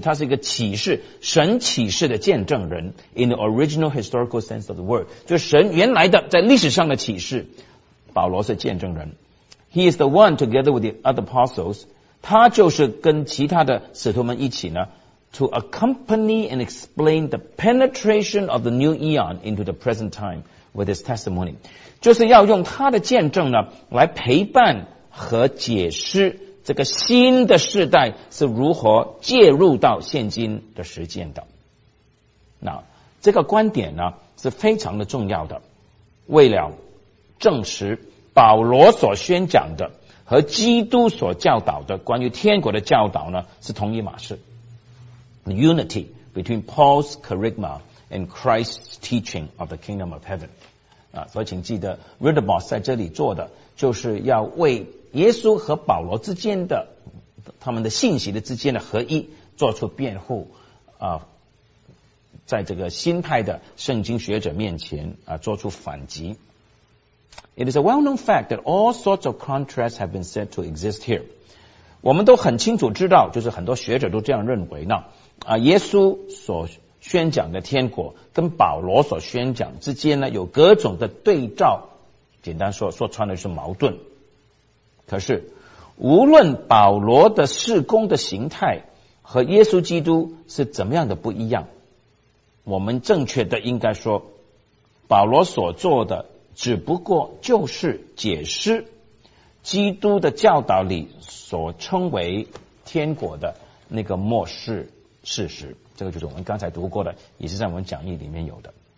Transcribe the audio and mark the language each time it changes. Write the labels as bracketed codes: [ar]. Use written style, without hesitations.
[zh] 他是一个启示，神启示的见证人。 [en] In the original historical sense of the word, [zh] 就神原来的在历史上的启示，保罗是见证人。 [en] He is the one together with the other apostles. [zh] 他就是跟其他的使徒们一起呢 [en] ，to accompany and explain the penetration of the new eon into the present time with his testimony. [zh] 就是要用他的见证呢来陪伴和解释。这个新的世代是如何介入到现今的实践的。那这个观点呢是非常的重要的，为了证实保罗所宣讲的和基督所教导的关于天国的教导呢是同一码事。 [en] The unity between Paul's kerygma and Christ's teaching of the kingdom of heaven、 [zh] 啊、所以请记得 Riddlebos 在这里做的就是要为耶稣和保罗之间的他们的信息的之间的合一做出辩护、啊、在这个新派的圣经学者面前、啊、做出反击。 [en] It is a well-known fact that all sorts of contrasts have been said to exist here. [zh] 我们都很清楚知道，就是很多学者都这样认为呢。啊，耶稣所宣讲的天国跟保罗所宣讲之间呢，有各种的对照。简单说，说穿了是矛盾。可是，无论保罗的事工的形态和耶稣基督是怎么样的不一样，我们正确的应该说，保罗所做的只不过就是解释基督的教导里所称为天国的那个末世事实，这个就是我们刚才读过的，也是在我们讲义里面有的。